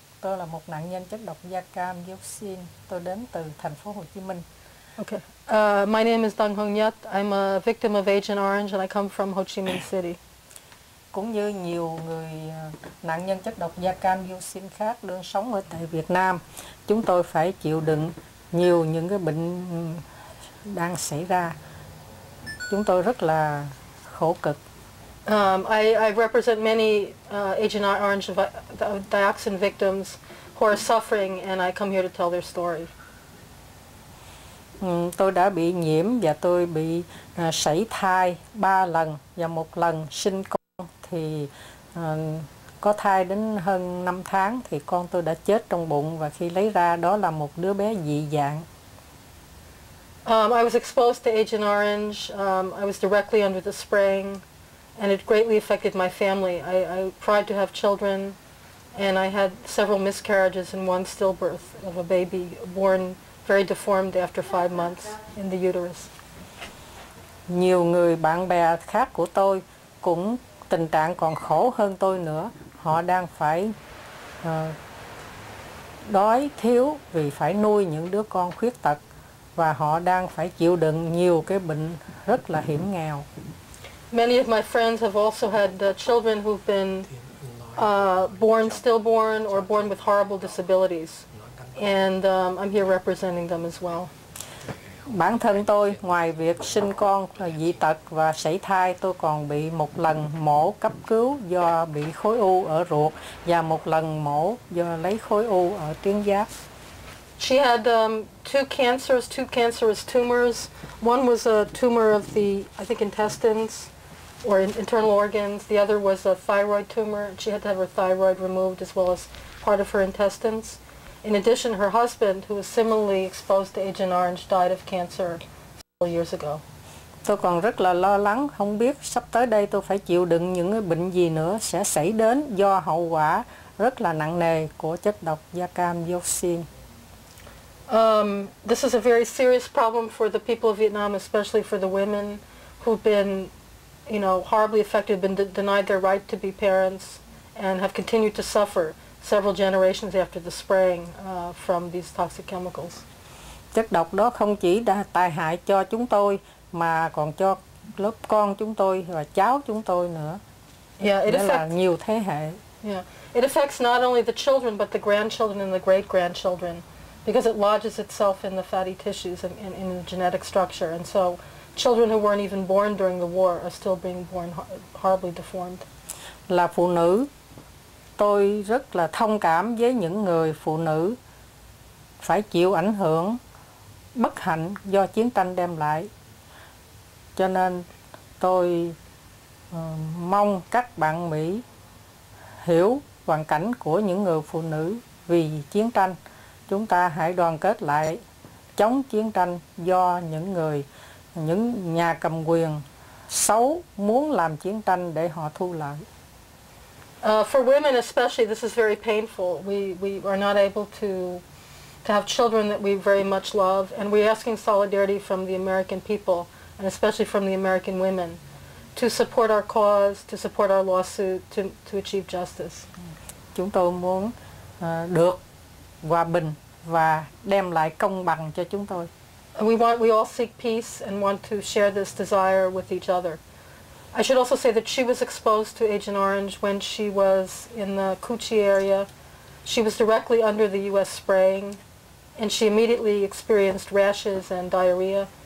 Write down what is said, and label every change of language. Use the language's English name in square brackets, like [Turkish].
[Vietnamese] Tôi là một nạn nhân chất độc da cam dioxin. Tôi đến từ thành phố Hồ Chí Minh. [English] Okay. My name is Dang Hong Nhat. I'm a victim of Agent Orange and I come from Ho Chi Minh City. [Vietnamese] Cũng như nhiều người nạn nhân chất độc da cam dioxin khác đang sống ở tại Việt Nam, chúng tôi phải chịu đựng nhiều những cái bệnh đang xảy ra. Chúng tôi rất là khổ cực. [English] I represent many Agent Orange dioxin victims who are suffering and I come here to tell their story. [Vietnamese] Tôi đã bị nhiễm và tôi bị sảy thai 3 lần và một lần sinh con thì có thai đến hơn 5 tháng thì con tôi đã chết trong bụng và khi lấy ra đó là một đứa bé dị dạng. [English] I was exposed to Agent Orange. I was directly under the spraying and it greatly affected my family. I tried to have children and I had several miscarriages and one stillbirth of a baby born very deformed after 5 months in the uterus. [Vietnamese] Nhiều người bạn bè khác của tôi cũng tình trạng còn khổ hơn tôi nữa. Họ đang phải đói thiếu vì phải nuôi những đứa con khuyết tật và họ đang phải chịu đựng nhiều cái bệnh rất là hiểm nghèo. [English] Many of my friends have also had children who've been born stillborn or born with horrible disabilities. And I'm here representing them as well. [Vietnamese] Bản thân tôi, ngoài việc sinh con dị tật và sảy thai, tôi còn bị một lần mổ cấp cứu do bị khối u ở ruột và một lần mổ do lấy khối u ở tuyến giáp. [English] She had two cancerous tumors. One was a tumor of the, I think, intestines or internal organs. The other was a thyroid tumor. She had to have her thyroid removed as well as part of her intestines. In addition, her husband, who was similarly exposed to Agent Orange, died of cancer several years ago. [Vietnamese] Tôi còn rất là lo lắng, không biết sắp tới đây tôi phải chịu đựng những bệnh gì nữa sẽ xảy đến do hậu quả rất là nặng nề của chất độc da cam dioxin. [English] This is a very serious problem for the people of Vietnam, especially for the women who've been you know, horribly affected, been denied their right to be parents, and have continued to suffer several generations after the spraying from these toxic chemicals. [Vietnamese] Chất độc đó không chỉ đã tai hại cho chúng tôi mà còn cho lớp con chúng tôi và cháu chúng tôi nữa. [English] Yeah, it [Vietnamese] là nhiều thế hệ. [English] Yeah, it affects not only the children but the grandchildren and the great grandchildren, because it lodges itself in the fatty tissues and in the genetic structure. And so, children who weren't even born during the war are still being born horribly deformed. [Vietnamese] Là phụ nữ, tôi rất là thông cảm với những người phụ nữ phải chịu ảnh hưởng bất hạnh do chiến tranh đem lại. Cho nên tôi mong các bạn Mỹ hiểu hoàn cảnh của những người phụ nữ vì chiến tranh. Chúng ta hãy đoàn kết lại chống chiến tranh do những người, những nhà cầm quyền xấu muốn làm chiến tranh để họ thu lợi. [English] For women especially, this is very painful. We are not able to have children that we very much love, and we're asking solidarity from the American people, and especially from the American women, to support our cause, to support our lawsuit, to achieve justice. [Vietnamese] Chúng tôi muốn được hòa bình và đem lại công bằng cho chúng tôi. [English] We all seek peace and want to share this desire with each other. I should also say that she was exposed to Agent Orange when she was in the Cuchi area. She was directly under the U.S. spraying, and she immediately experienced rashes and diarrhea.